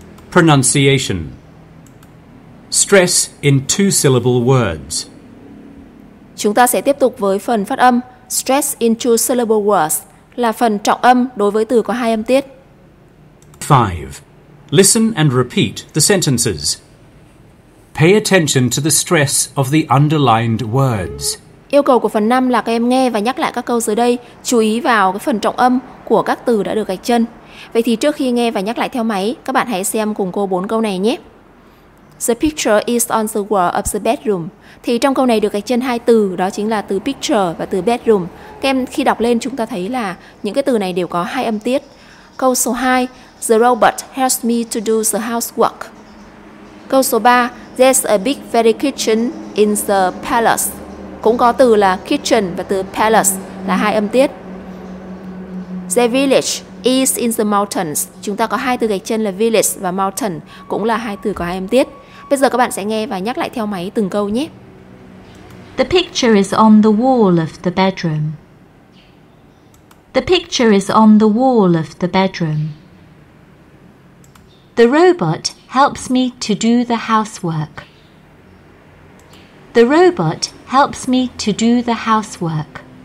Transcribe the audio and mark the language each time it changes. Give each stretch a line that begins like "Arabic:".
English: Pronunciation. Stress in two syllable words.
Vietnamese: Chúng ta sẽ tiếp tục với phần phát âm.
English: Stress in two syllable words
Vietnamese: là phần trọng âm đối với từ có hai âm tiết.
English: 5. Listen and repeat the sentences. Pay attention to the stress of the underlined words.
Vietnamese: Yêu cầu của phần 5 là các em nghe và nhắc lại các câu dưới đây, chú ý vào cái phần trọng âm của các từ đã được gạch chân. Vậy thì trước khi nghe và nhắc lại theo máy, các bạn hãy xem cùng cô 4 câu này nhé.
English: The picture is on the wall of the bedroom.
Vietnamese: Thì trong câu này được gạch chân hai từ, đó chính là từ picture và từ bedroom. Các em khi đọc lên chúng ta thấy là những cái từ này đều có hai âm tiết. Câu số 2,
English: the robot helps me to do the housework.
Vietnamese: Câu số 3,
English: there's a big fairy kitchen in the palace.
Vietnamese: Cũng có từ là kitchen và từ palace là hai âm tiết.
English: The village is in the mountains.
Vietnamese: Chúng ta có hai từ gạch chân là village và mountain, cũng là hai từ có hai âm tiết. Bây giờ các bạn sẽ nghe và nhắc lại theo máy từng câu nhé.
English: The picture is on the wall of the bedroom. The picture is on the wall of the bedroom. The robot helps me to do the housework. The robot helps me to do the housework.